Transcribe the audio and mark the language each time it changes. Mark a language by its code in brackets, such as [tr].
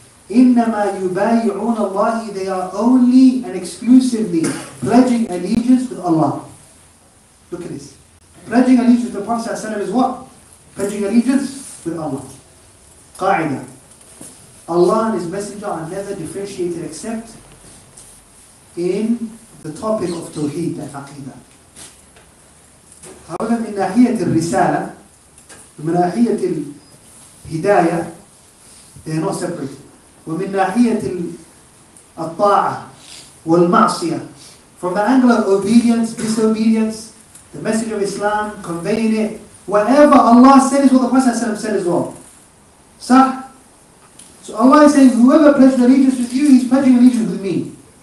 [ar] إِنَّمَا يُبَايِعُونَ اللَّهِ [en] they are only and exclusively pledging allegiance with Allah. Look at this. Pledging allegiance with the Prophet ﷺ is what? Pledging allegiance with Allah. قَاعِدَة Allah and His Messenger are never differentiated except in the topic of Tawheed and Aqeedah. However, [ar] من ناحية الرسالة ومن ناحية الهداية [en] they are not separate. [ar] ومن ناحية الطاعة والمعصية [en] from the angle of obedience, disobedience, the message of Islam, conveying it, whatever Allah said is what the Prophet ﷺ said as well. [ar] صح؟ [en] So Allah is saying, whoever pledged allegiance with you, he's pledging allegiance with me.